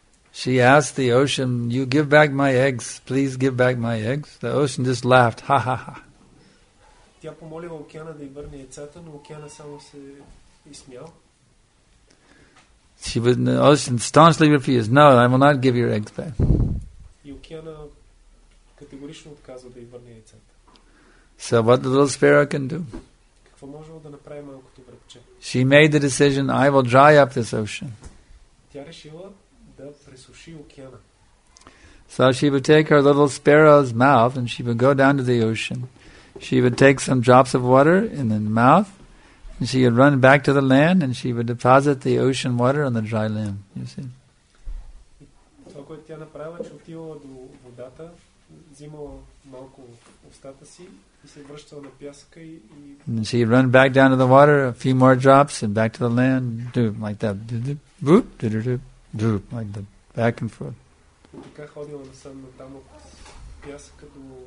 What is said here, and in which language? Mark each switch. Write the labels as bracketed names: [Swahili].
[English] She asked the ocean, "You give back my eggs, please give back my eggs." The ocean just laughed, ha ha ha. [Bulgarian] Тя помолила океана да й върне яйцата, но океана само се изсмял. [English] She was in the ocean staunchly refused. No, I will not give your eggs back. [Bulgarian] И океана категорично отказва да й върне яйцата. [English] So what the little sparrow can do? [Bulgarian] Какво може да направи малкото връбче? [English] She made the decision, I will dry up this ocean. [Bulgarian] Тя решила да пресуши океана. [English] So she would take her little sparrow's mouth and she would go down to the ocean. She would take some drops of water in the mouth, and she would run back to the land, and she would deposit the ocean water on the dry land, you see. [Bulgarian] Това, което тя направила, че отивала до водата, взимала малко устата си и се връщала на пясъка и... [English] And she would run back down to the water, a few more drops, and back to the land, doop, like that, doop, boop, doop, doop, like that, back and forth. [Bulgarian] И така ходила насам на там от пясъка до...